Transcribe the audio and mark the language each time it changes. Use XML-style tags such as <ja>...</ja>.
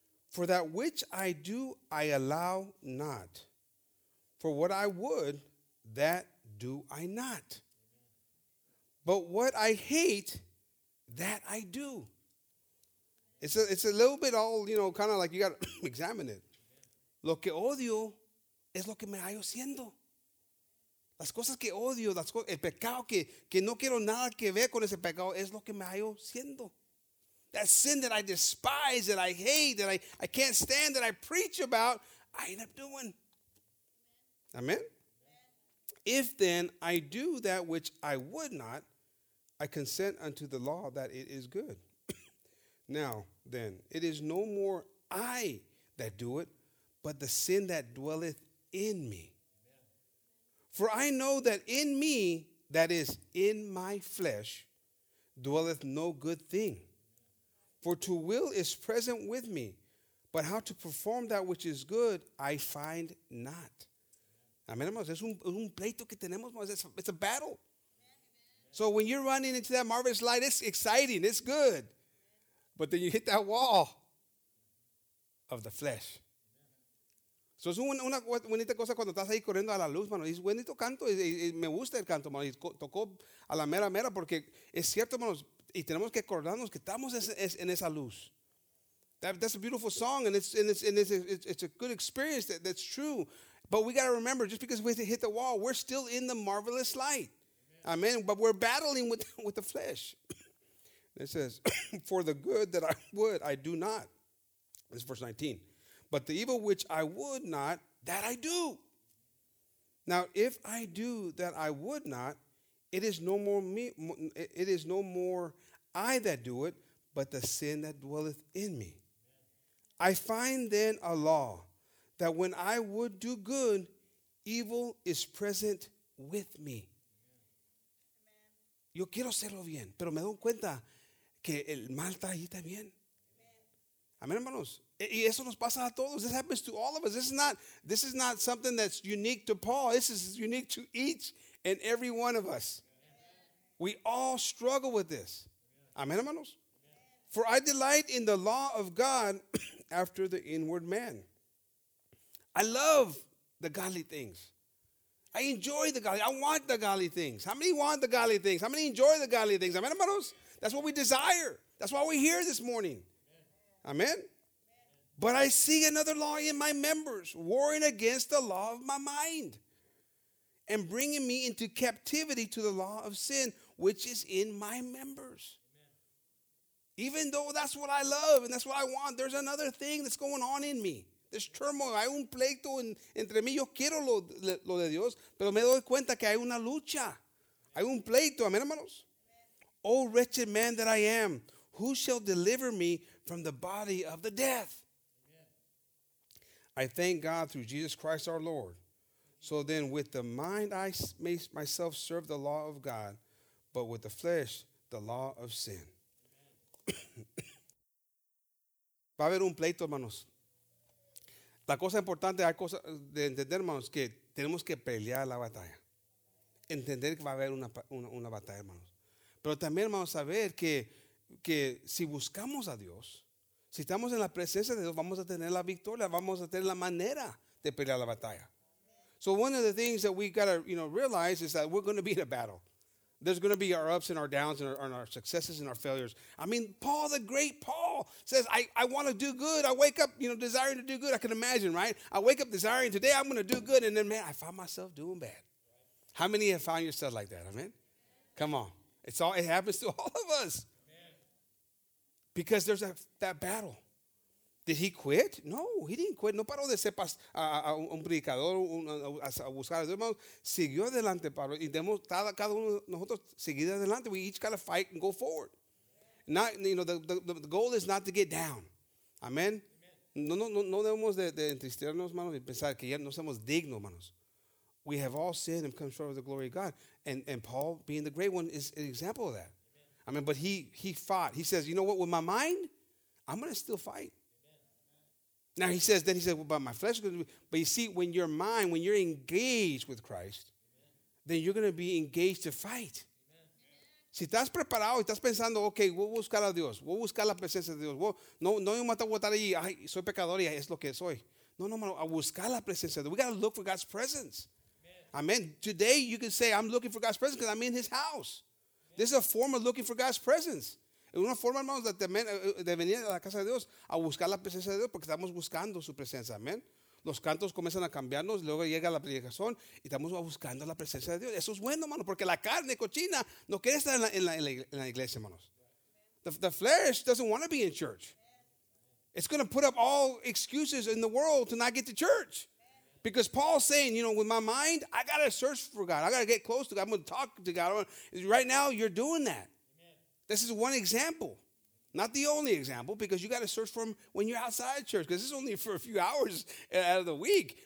<en>For that which I do, I allow not. For what I would, that do I not. But what I hate, that I do. It's a little bit all, you know, kind of like you got to examine it.</en> <es>Lo que odio es lo que me hallo siendo. Las cosas que odio, el pecado que no quiero nada que ver con ese pecado es lo que me hallo siendo.</es> <en>That sin that I despise, that I hate, that I can't stand, that I preach about, I end up doing. Amen? If then I do that which I would not, I consent unto the law that it is good. Now then, it is no more I that do it, but the sin that dwelleth in me. For I know that in me, that is in my flesh, dwelleth no good thing. For to will is present with me, but how to perform that which is good, I find not. Amen, hermanos.</en> <es>Es un pleito que tenemos, hermanos.</es> <en>It's a battle. So when you're running into that marvelous light, it's exciting. It's good. But then you hit that wall of the flesh.</en> <es>So es una bonita cosa cuando estás ahí corriendo a la luz, mano. Es bonito canto, y me gusta el canto, mano. Y tocó a la mera mera porque es cierto, mano. Y tenemos que acordarnos que estamos en esa luz.</es> <en>That's a beautiful song, and it's a good experience. That's true. But we got to remember, just because we hit the wall, we're still in the marvelous light. Amen. But we're battling with the flesh. It says, for the good that I would, I do not. This is verse 19. But the evil which I would not, that I do. Now, if I do that I would not, it is no more me. It is no more I that do it, but the sin that dwelleth in me. I find then a law that when I would do good, evil is present with me.</en> <es>Yo quiero hacerlo bien, pero me doy cuenta que el mal está ahí también. Amén, hermanos. Y eso nos pasa a todos.</es> <en>This happens to all of us. This is not something that's unique to Paul. This is unique to each and every one of us. We all struggle with this.</en> <es>Amén, hermanos.</es> <en>For I delight in the law of God after the inward man. I love the godly things. I enjoy the godly. I want the godly things. How many want the godly things? How many enjoy the godly things? Amen, hermanos? That's what we desire. That's why we're here this morning. Amen? But I see another law in my members, warring against the law of my mind and bringing me into captivity to the law of sin, which is in my members. Even though that's what I love and that's what I want, there's another thing that's going on in me. There's turmoil.</en> <es>Hay un pleito entre mí. Yo quiero lo de Dios, pero me doy cuenta que hay una lucha. Hay un pleito. Amén, hermanos.</es> <en>Oh, wretched man that I am, who shall deliver me from the body of the death? I thank God through Jesus Christ our Lord. So then with the mind I may myself serve the law of God, but with the flesh the law of sin.</en> <es>Va a haber un pleito, hermanos. La cosa importante, hay cosas de entender, hermanos, que tenemos que pelear la batalla. Entender que va a haber una batalla, hermanos. Pero también vamos a ver que si buscamos a Dios, si estamos en la presencia de Dios, vamos a tener la victoria, vamos a tener la manera de pelear la batalla.</es> <en>So one of the things that we got to, you know, realize is that we're going to be in a battle. There's going to be our ups and our downs and our successes and our failures. I mean, Paul, the great Paul, says, I want to do good. I wake up, you know, desiring to do good. I can imagine, right? I wake up desiring, today I'm going to do good. And then, man, I find myself doing bad. How many have found yourself like that? Amen? Come on. It happens to all of us. Because there's that battle. Did he quit? No, he didn't quit.</en> <es>No paró de ser un predicador, a buscar a Dios. Siguió adelante, Pablo. Y cada uno de nosotros seguir adelante.</es> <en>We each got to fight and go forward. Not, you know, the goal is not to get down. Amen.</en> <es>No debemos de entristecernos, manos, y pensar que ya no somos dignos, manos.</es> <en>We have all sinned and come short of the glory of God. And Paul, being the great one, is an example of that. Amen. I mean, but he fought. He says, you know what, with my mind, I'm going to still fight. Now he says, well, but my flesh is going to be, but you see, when your mind, when you're engaged with Christ, amen, then you're going to be engaged to fight. Amen.</en> <es>Si estás preparado y estás pensando, okay, voy a buscar a Dios, voy a buscar la presencia de Dios, no me voy a estar allí, ay, soy pecador y es lo que soy. No, mano, a buscar la presencia de Dios.</es> <en>We got to look for God's presence. Amen. Today you can say, I'm looking for God's presence because I'm in his house. Amen. This is a form of looking for God's presence.</en> <es>Una forma, hermanos, de venir a la casa de Dios a buscar la presencia de Dios porque estamos buscando su presencia. Amén. Los cantos comienzan a cambiarnos, luego llega la predicación y estamos buscando la presencia de Dios. Eso es bueno, hermano, porque la carne cochina no quiere estar en la iglesia, hermanos.</es> <en>The flesh doesn't want to be in church. It's going to put up all excuses in the world to not get to church. Because Paul's saying, you know, with my mind, I got to search for God. I got to get close to God. I'm going to talk to God. Right now, you're doing that. This is one example, not the only example, because you got to search for him when you're outside of church, because this is only for a few hours out of the week.</en>